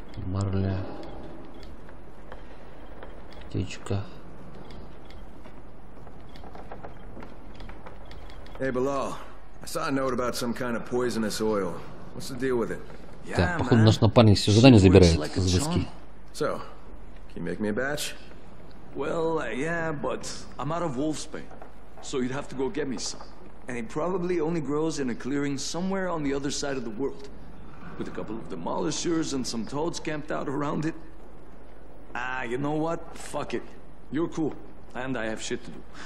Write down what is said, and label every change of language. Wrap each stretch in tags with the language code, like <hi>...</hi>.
<ru>Марля. Птичка.</ru> <en>Hey, Bilal. I saw a note about some kind of poisonous oil. What's the deal with it?</en> <ru>Так, yeah, походу, наш напарник все задания забирает из виски.</ru> <en>So, can you make me a batch? Well, yeah, but I'm out of wolfsbane, so you'd have to go get me some. And it probably only grows in a clearing somewhere on the other side of the world, with a couple of demolishers and some toads camped out around it. Ah, you know what? Fuck it. You're cool, and I have shit to do.</en>